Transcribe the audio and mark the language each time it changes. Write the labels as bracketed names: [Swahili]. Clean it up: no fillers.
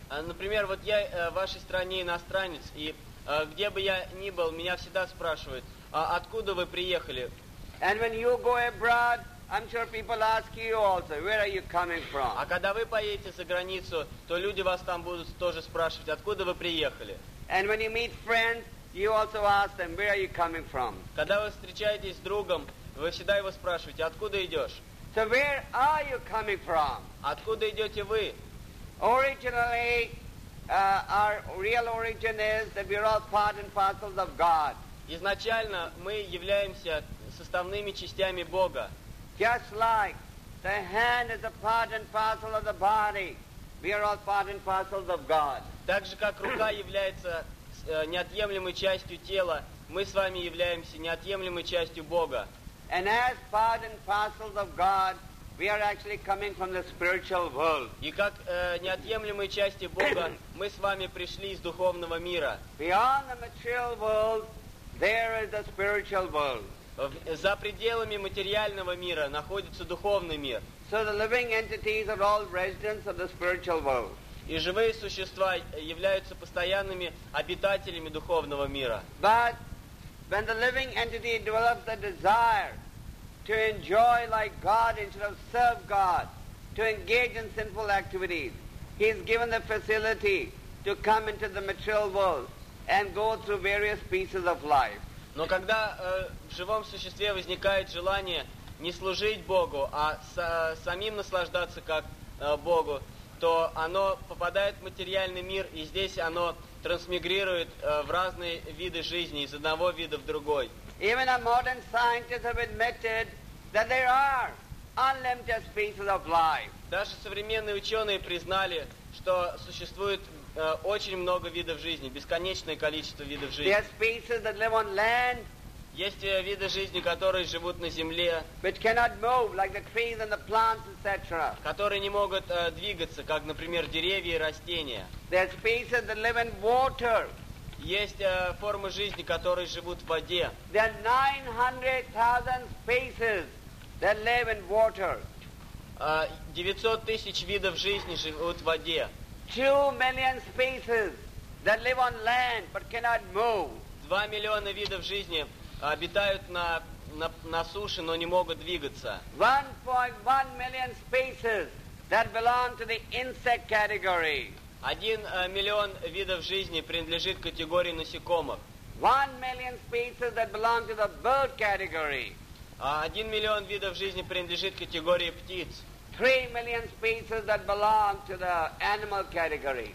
[Russian] Например, вот я в вашей стране иностранец, и где бы я ни был, меня всегда спрашивают, откуда вы приехали? [English] And when you go abroad, I'm sure people ask you also, where are you coming from? [Russian] А когда вы поедете за границу, то люди вас там будут тоже спрашивать, откуда вы приехали? [English] And when you meet friends, you also ask them, where are you coming from? [Russian] Когда вы встречаетесь с другом, вы всегда его спрашиваете, откуда идешь? [English] So where are you coming from? [Russian] Откуда идете вы? [English] Originally, our real origin is that we are all part and parcels of God. [Russian] Изначально мы являемся составными частями Бога. [English] Just like the hand is a part and parcel of the body, we are all part and parcels of God. [Russian] Так же, как рука является неотъемлемой частью тела, мы с вами являемся неотъемлемой частью Бога. [English] And as part and parcels of God, we are actually coming from the spiritual world. [Russian] И как неотъемлемые части Бога, мы с вами пришли из духовного мира. [English] Beyond the material world, there is the spiritual world. [Russian] За пределами материального мира находится духовный мир. [English] So the living entities are all residents of the spiritual world. [Russian] И живые существа являются постоянными обитателями духовного мира. [English] But when the living entity develops the desire to enjoy like God instead of serve God, to engage in sinful activities, he is given the facility to come into the material world and go through various pieces of life. [Russian] Но когда в живом существе возникает желание не служить Богу, а самим наслаждаться как Богу, то оно попадает в материальный мир, и здесь оно трансмигрирует в разные виды жизни, из одного вида в другой. [English] Even the modern scientists have admitted that there are unlimited species of life. [Russian] Даже современные ученые признали, что существует очень много видов жизни, бесконечное количество видов жизни. [English] There are species that live on land. [Russian] Есть виды жизни, которые живут на земле, [English] which cannot move, like the trees and the plants, etc. [Russian] Которые не могут двигаться, как, например, деревья и растения. [English] There are species that live in water. [Russian] Есть формы жизни, которые живут в воде. [English] There are 900,000 species that live in water. [Russian] 900 тысяч видов жизни живут в воде. [English] 2 million species that live on land but cannot move. [Russian] 2 миллиона видов жизни обитают на суше, но не могут двигаться. [English] 1.1 million species that belong to the insect category. [Russian] 1 миллион видов жизни принадлежит категории насекомых. [English] 1 million species that belong to the bird category. [Russian] 1 миллион видов жизни принадлежит категории птиц. [English] 3 million species that belong to the animal category.